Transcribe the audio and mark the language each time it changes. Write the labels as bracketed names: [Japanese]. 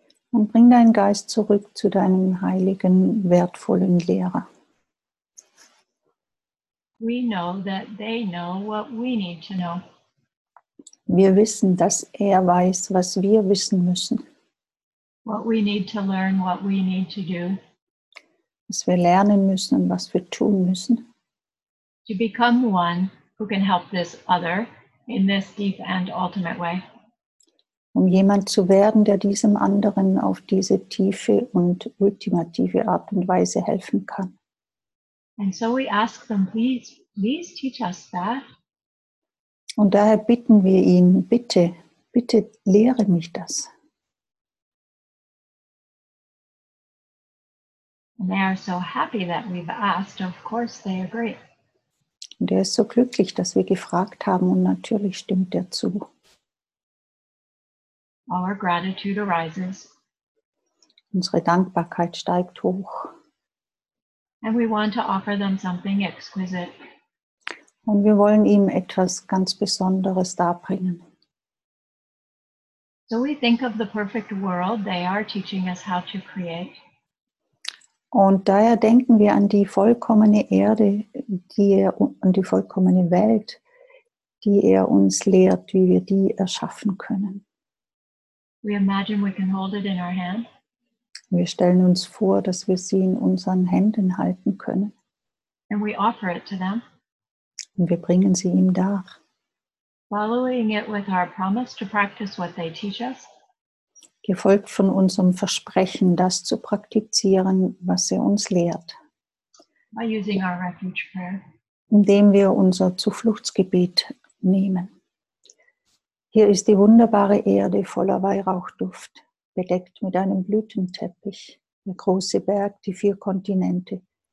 [German] Und bring deinen Geist zurück zu deinem heiligen, wertvollen Lehrer. [English] We know that they know what we need to know. [German] Wir wissen, dass er weiß, was wir wissen müssen. [English] What we need to learn, what we need to do. [German] Was wir lernen müssen und was wir tun müssen. [English] To become one who can help this other in this deep and ultimate way. [German] Um jemand zu werden, der diesem anderen auf diese tiefe und ultimative Art und Weise helfen kann. [English] And so we ask them, please, please teach us that. [German] Und daher bitten wir ihn, bitte, bitte lehre mich das. [English] And they are so happy that we've asked, of course they agree. [German] Und er ist so glücklich, dass wir gefragt haben und natürlich stimmt er zu. [English] Our gratitude arises. [German] Unsere Dankbarkeit steigt hoch. [English] And we want to offer them something exquisite. [German] Und wir wollen ihm etwas ganz Besonderes darbringen. [English] So we think of the perfect world they are teaching us how to create. [German] Und daher denken wir an die vollkommene Erde, an die vollkommene Welt, die er uns lehrt, wie wir die erschaffen können. [English] We imagine we can hold it in our hand. [German] Wir stellen uns vor, dass wir sie in unseren Händen halten können. [English] And we offer it to them. [German] Und wir bringen sie ihm dar. [English] Following it with our promise to practice what they teach us. [German] Gefolgt von unserem Versprechen, das zu praktizieren, was er uns lehrt. [English] By using our refuge prayer. [German] Indem wir unser Zufluchtsgebet nehmen. Hier ist die wunderbare Erde voller Weihrauchduft, bedeckt mit einem Blütenteppich, der große Berg, die vier Kontinente.